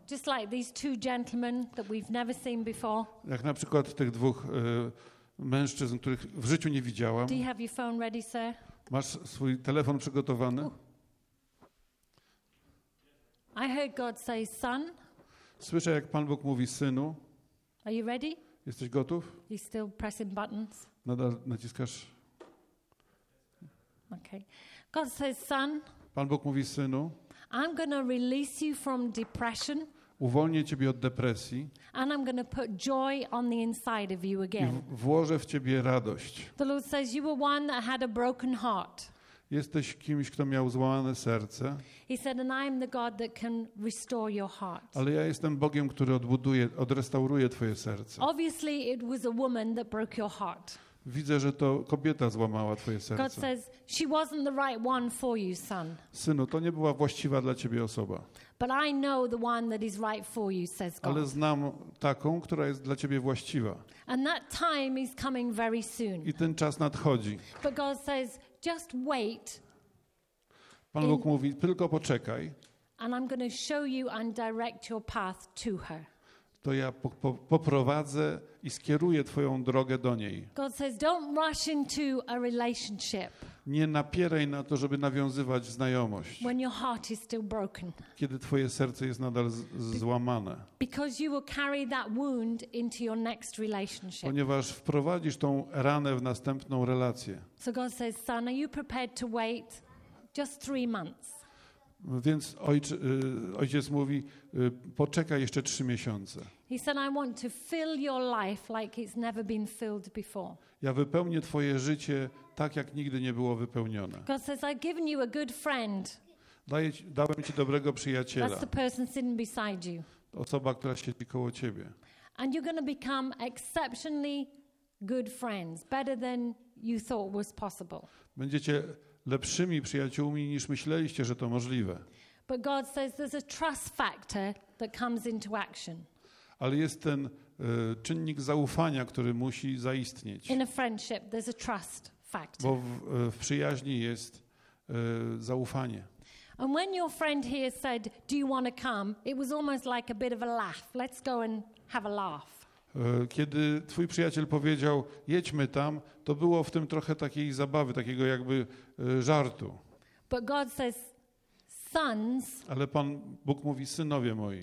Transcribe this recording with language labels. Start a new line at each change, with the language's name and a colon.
English: Just like these two gentlemen that we've never seen before.
Polish: Jak na przykład tych dwóch mężczyzn, których w życiu nie widziałam.
English: Do you have your phone ready, sir?
Polish: Masz swój telefon przygotowany?
English: I heard God say, son.
Polish: Słyszę, jak Pan Bóg mówi, synu.
English: Are you ready?
Polish: Jesteś gotów?
English: He's still pressing buttons.
Polish: Nadal naciskasz.
English: Okay. God says, son.
Polish: Pan Bóg mówi, synu.
English: I'm gonna release you from depression.
Polish: Uwolnię ciebie od depresji.
English: And I'm gonna put joy on the inside of you again.
Polish: I włożę w ciebie radość.
English: The Lord says, you were one that had a broken heart.
Polish: Jesteś kimś, kto miał złamane serce.
English: He said, and I am the God that can restore your heart.
Polish: Ale ja jestem Bogiem, który odrestauruje twoje serce.
English: Obviously it was a woman that broke your heart.
Polish: Widzę, że to kobieta złamała twoje serce.
English: God says, she wasn't the right one for you, son.
Polish: Synu, to nie była właściwa dla ciebie osoba.
English: But I know the one that is right for you, says God.
Polish: Ale znam taką, która jest dla ciebie właściwa.
English: And that time is coming very soon.
Polish: I ten czas nadchodzi.
English: But God says, just wait.
Polish: Pan Bóg mówi, tylko poczekaj.
English: And I'm going to show you and direct your path to her.
Polish: To ja poprowadzę i skieruję twoją drogę do niej.
English: God says, don't rush into a relationship.
Polish: Nie napieraj na to, żeby nawiązywać znajomość.
English: When your heart is still broken.
Polish: Kiedy twoje serce jest nadal złamane.
English: Because you will carry that wound into your next relationship.
Polish: Ponieważ wprowadzisz tą ranę w następną relację.
English: So God says, son, are you prepared to wait just 3 months?
Polish: Więc ojciec mówi, poczekaj jeszcze 3 miesiące.
English: He said, I want to fill your life like it's never been filled before.
Polish: Ja wypełnię twoje życie tak, jak nigdy nie było wypełnione.
English: God says, I've given you a good friend.
Polish: Dałem ci dobrego przyjaciela.
English: That's the person sitting beside you.
Polish: Osoba, która siedzi koło ciebie.
English: And you're going to become exceptionally good friends, better than you thought was possible.
Polish: Będziecie lepszymi przyjaciółmi, niż myśleliście, że to możliwe.
English: But God says there's a trust factor that comes into action.
Polish: Ale jest ten czynnik zaufania, który musi zaistnieć.
English: In a friendship there's a trust factor.
Polish: Bo w przyjaźni jest zaufanie.
English: And when your friend here said, do you want to come? It was almost like a bit of a laugh. Let's go and have a laugh.
Polish: Kiedy twój przyjaciel powiedział, jedźmy tam, to było w tym trochę takiej zabawy, takiego jakby żartu.
English: But God says, sons,
Polish: ale Pan Bóg mówi, synowie moi,